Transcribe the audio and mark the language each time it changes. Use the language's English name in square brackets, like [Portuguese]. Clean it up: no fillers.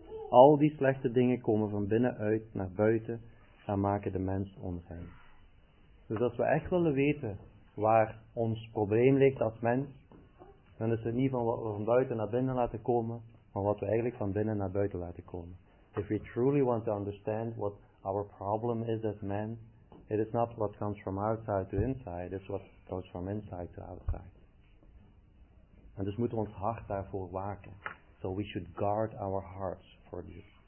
[Dutch] Al die slechte dingen komen van binnenuit naar buiten en maken de mens onrein. Dus als we echt willen weten waar ons probleem ligt als mens, dan is het niet van wat we van buiten naar binnen laten komen, maar wat we eigenlijk van binnen naar buiten laten komen. [English] If we truly want to understand what our problem is as men, it is not what comes from outside to inside, it's what goes from inside to outside. [Dutch] En dus moeten we ons hart daarvoor waken. [English] So we should guard our hearts for this.